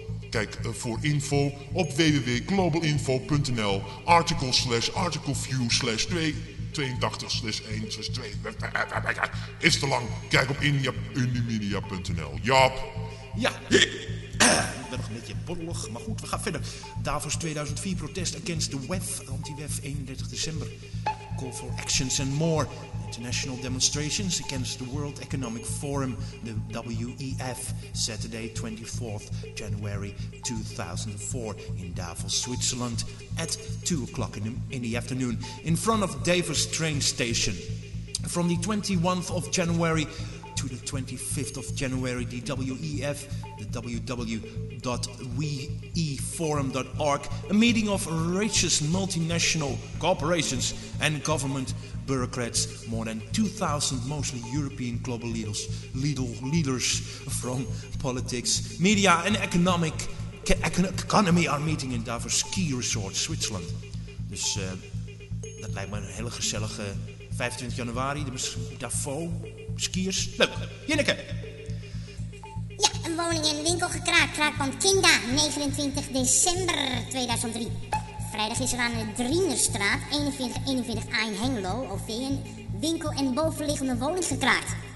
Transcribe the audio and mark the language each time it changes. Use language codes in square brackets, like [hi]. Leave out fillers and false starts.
[nl] Kijk voor info op www.globalinfo.nl article/articleview/282/162. Is te lang. Kijk op indiemedia.nl. Jaap. Ja. Ik ben nog een beetje borrelig, maar goed, we gaan verder. [en] Davos 2004 protest against the WEF, anti-WEF 31 december. Call for actions and more. International demonstrations against the World Economic Forum, the WEF, Saturday 24th January 2004 in Davos, Switzerland at 2 o'clock in the afternoon in front of Davos train station. From the 21st of January to the 25th of January, the WEF, the www.weforum.org, a meeting of richest multinational corporations and government bureaucrats, more than 2,000 mostly European global leaders from politics, media and economy are meeting in Davos Ski Resort, Switzerland. [nl] Dus dat lijkt me een hele gezellige 25 januari, Davos. Skiers, leuk. Jinneke. Ja, een woning en winkel gekraakt. Kraakpand Kinga, 29 december 2003. Vrijdag is er aan de Drienerstraat, 4141A in Hengelo, OV, een winkel en bovenliggende woning gekraakt.